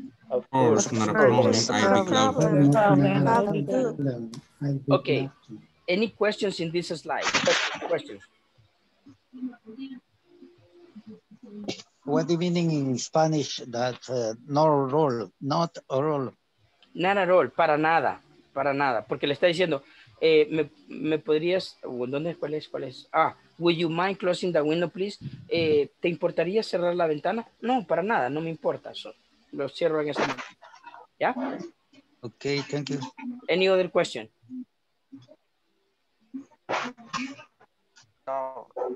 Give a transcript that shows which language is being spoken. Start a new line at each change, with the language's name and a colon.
English: Of course, not a problem. I'll be glad to. Okay. Any questions in this slide? Questions. What do you mean in Spanish that not at all? Not at all,
Spanish: para nada, para nada. Porque le está diciendo, me podrías, ¿dónde, cuál es?
English: Ah, would you mind closing the window, please?
Spanish: ¿Te importaría cerrar la ventana? No, para nada, no me importa. So, lo cierro en ese momento. ¿Ya?
English: Ok, thank you. Any other question? No.